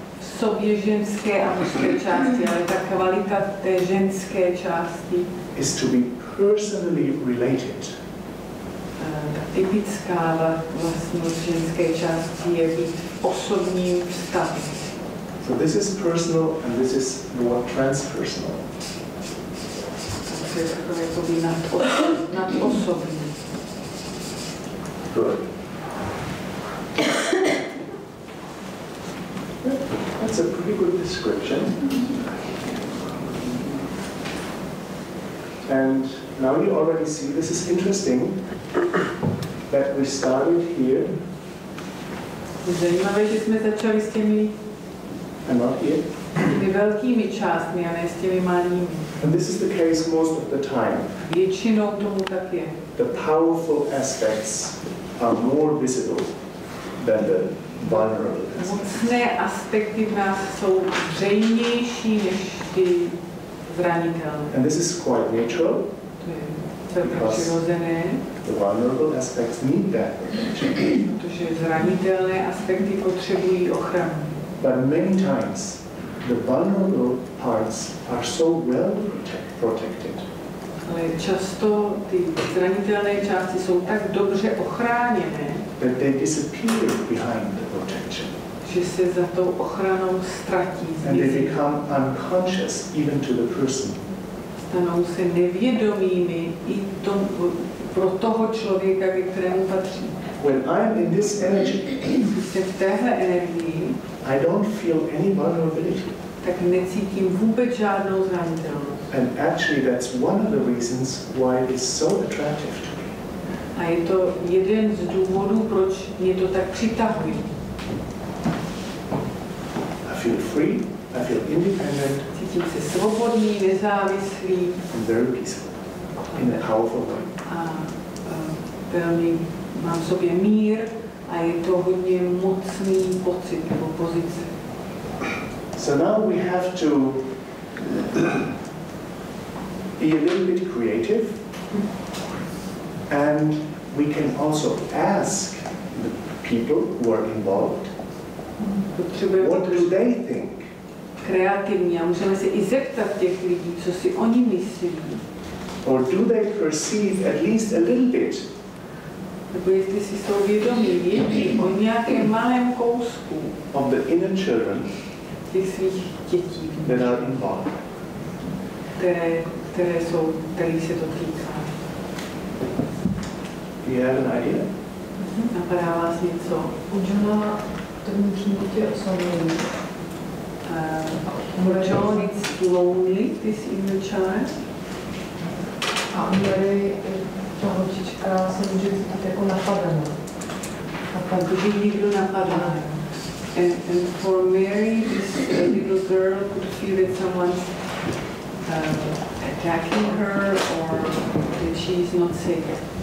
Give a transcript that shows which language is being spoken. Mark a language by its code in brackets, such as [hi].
[cs] V sobě ženské a mužské části, ale ta kvalita té ženské části. [en] Is to be personally related. [cs] Typická vlastnost ženské části je být osobní vztah. [en] So this is personal and this is more transpersonal. [cs] Takže to je jakoby nadosobní. [en] Good. a pretty good description. And now you already see, this is interesting, that we started here. [cs] Zajímavé, že jsme začali s těmi velkými částmi a ne s těmi malými. [en] And this is the case most of the time. [cs] Většinou tomu tak je. [en] The powerful aspects are more visible than the vulnerable aspects. [cs] Mocné aspekty v nás jsou zřejmější než ty zranitelné. [en] And this is quite natural. Because the vulnerable aspects need that protection. But many times, the vulnerable parts are so well protected. [cs] Ale často ty zranitelné části jsou tak dobře ochráněné, [en] that they disappear behind the protection. [cs] Že se za tou ochranou ztratí. [en] And they become unconscious even to the person. [cs] Stanou se nevědomými i tom, pro toho člověka, ke kterému patří. [en] When I'm in this energy, [cs] v téhle energii, [en] I don't feel any vulnerability. [cs] Tak necítím vůbec žádnou zranitelnost. [en] And actually that's one of the reasons why it is so attractive to me. [cs] A je to jeden z důvodů, proč mě to tak přitahuje. [en] I feel free. I feel independent. [cs] Cítím se svobodný, nezávislý. [en] And very peaceful. In a powerful way. [cs] A velmi mám v sobě mír a je to hodně mocný pocit nebo pozice. [en] So now we have to be a little bit creative. And we can also ask the people who are involved, what do they think? [cs] Kreativní a můžeme se i zeptat těch lidí, co si oni myslí. [en] Or do they perceive at least a little bit? [cs] Nebo jestli si jsou vědomí o nějakém malém kousku [en] of the inner children, [cs] těch svých dětí, [en] that are involved. [cs] Které jsou, který se to týká. [en] Do you have an idea? [cs] Napadá vás něco? Udělá to vnitřní dítě osamělé. [en] John is lonely, this inner child. [cs] A tady ta holčička se může cítit jako napadená. Napadná, někdo napadá. [en] And for Mary, this little girl could feel that someone's attacking her or that she's not safe.